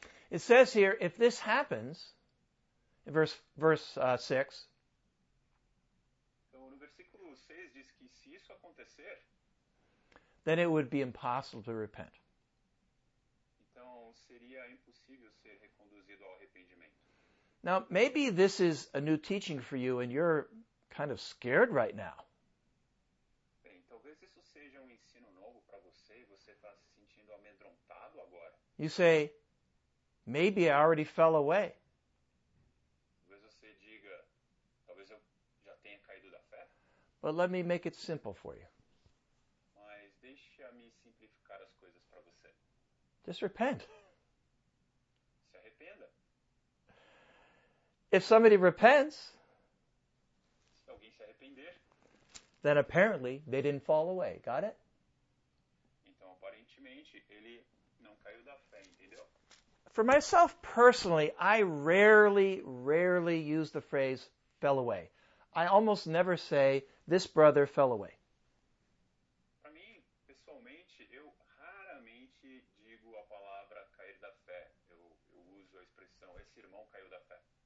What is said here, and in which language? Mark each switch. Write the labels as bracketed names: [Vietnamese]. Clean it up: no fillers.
[English] It says here, if this happens, in verse 6, [Portuguese] então, no versículo 6 diz que se isso acontecer, [English] then it would be impossible to repent. [Portuguese] Então, seria impossível ser reconduzido ao arrependimento. [English] Now, maybe this is a new teaching for you and you're kind of scared right now. [Portuguese] Bem, talvez isso seja um ensino novo para você e você está se sentindo amedrontado agora. [English] You say, maybe I already fell away. [Portuguese] Talvez você diga, talvez eu já tenha caído da fé. [English] But let me make it simple for you. [Portuguese] Mas deixa-me simplificar as coisas para você. [English] Just repent. [Portuguese] Se arrependa. [English] If somebody repents, [Portuguese] se alguém se arrepender, [English] then apparently they didn't fall away. Got it? [Portuguese] Então, aparentemente, ele não caiu da fé, entendeu? [English] For myself personally, I rarely use the phrase fell away. I almost never say this brother fell away. [Portuguese] Para mim, pessoalmente, eu raramente digo a palavra cair da fé. Eu uso a expressão esse irmão caiu da fé.